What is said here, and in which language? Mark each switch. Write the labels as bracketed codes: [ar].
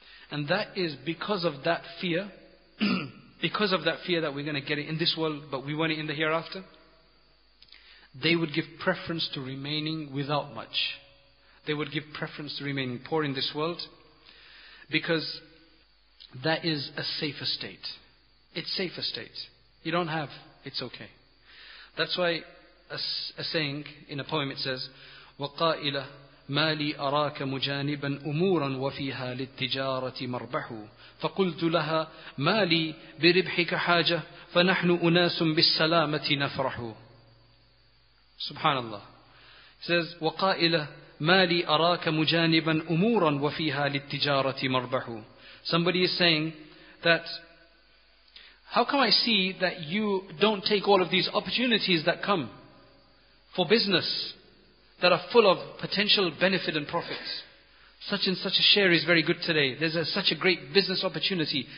[en] And that is because of that fear, because of that fear that we're going to get it in this world, but we want it in the hereafter. They would give preference to remaining without much. They would give preference to remaining poor in this world. Because that is a safer state. It's safer state. You don't have, it's okay. That's why a saying in a poem, it says, [ar] وَقَائِلَ مَا لِي أَرَاكَ مُجَانِبًا أُمُورًا وَفِيهَا لِلتِّجَارَةِ مَرْبَحُ فَقُلْتُ لَهَا مَا لِي بِرِبْحِكَ حَاجَةً فَنَحْنُ أُنَاسٌ بِالسَّلَامَةِ نَفْرَحُ. Subhanallah. [en] It says, [ar] وَقَائِلَ مَا لِي أَرَاكَ مُجَانِبًا أُمُورًا وَفِيهَا لِلتِّجَارَةِ مَرْبَحُ. [en] Somebody is saying that, how come I see that you don't take all of these opportunities that come for business that are full of potential benefit and profits? Such and such a share is very good today. There's such a great business opportunity.